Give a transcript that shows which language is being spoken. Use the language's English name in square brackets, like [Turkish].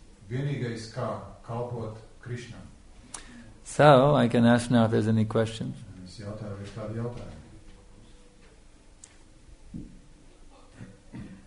[Latvian] Vienīgais kā kalpot Krishna. [English] So, I can ask now if there's any questions. [Latvian] Es jautāju, ir kādi jautājumi.